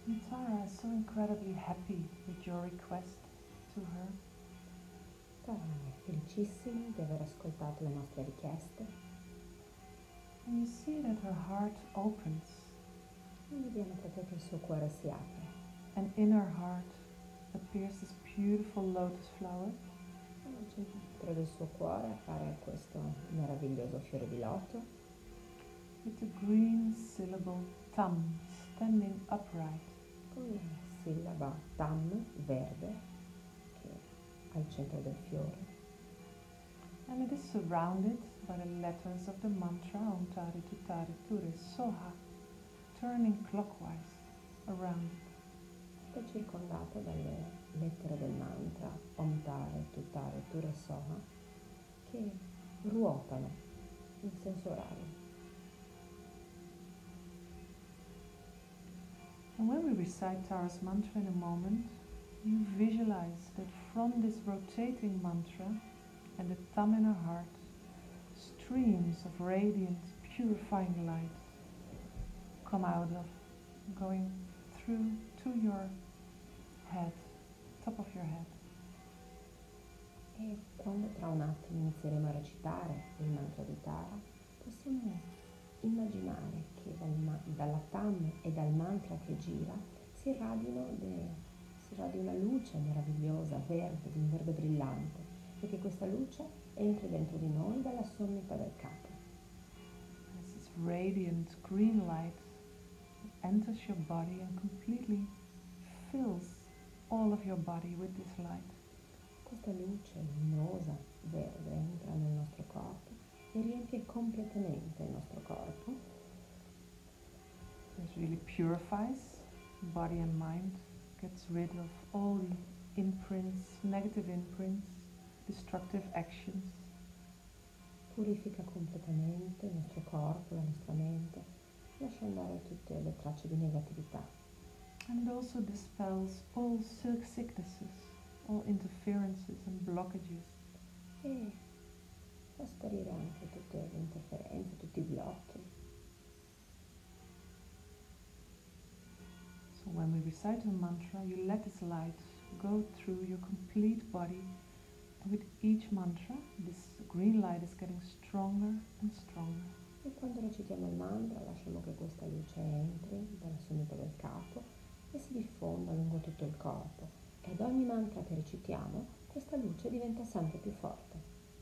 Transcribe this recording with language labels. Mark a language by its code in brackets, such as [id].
[en] Tara is so incredibly happy with your request to her. [it] Tara è felicissima di aver ascoltato le nostre richieste. [en] And you see that her heart opens. [it] E vediamo proprio che il suo cuore si apre. [en] And in her heart appears this beautiful lotus flower. [it] Dentro del suo cuore appare questo meraviglioso fiore di loto. [en] With the green syllable Tam standing upright. [it] Una sillaba Tam verde che è al centro del fiore. [en] And it is surrounded by the letters of the mantra Om Tari Tutari Ture Soha, turning clockwise around it. [it] È circondata dalle lettere del mantra Om Tari Tutari Ture Soha che ruotano in senso orario. [en] And when we recite Tara's mantra in a moment, you visualize that from this rotating mantra and the thumb in her heart, streams of radiant, purifying light come out of, going through to your head, top of your head. [it] E quando tra un attimo inizieremo a recitare il mantra di Tara, possiamo immaginare che dalla Tam e dal mantra che gira si radi una luce meravigliosa, verde, di un verde brillante, e che questa luce entri dentro di noi dalla sommità del capo. [en] This radiant green light enters your body and completely fills all of your body with this light. [it] Questa luce luminosa, verde, entra nel nostro corpo e riempie completamente il nostro corpo. [en] This really purifies body and mind, gets rid of all the imprints, negative imprints, destructive actions. [it] Purifica completamente il nostro corpo, la nostra mente, lascia andare tutte le tracce di negatività. [en] And also dispels all silk sicknesses, all interferences and blockages. [it] Fa sparire anche tutte le interferenze, tutti i blocchi. [en] So when we recite a mantra, you let this light go through your complete body. And with each mantra, this green light is getting stronger and stronger. [it] E quando recitiamo il mantra, lasciamo che questa luce entri dalla sommità del capo e si diffonda lungo tutto il corpo. E ad ogni mantra che recitiamo, questa luce diventa sempre più forte.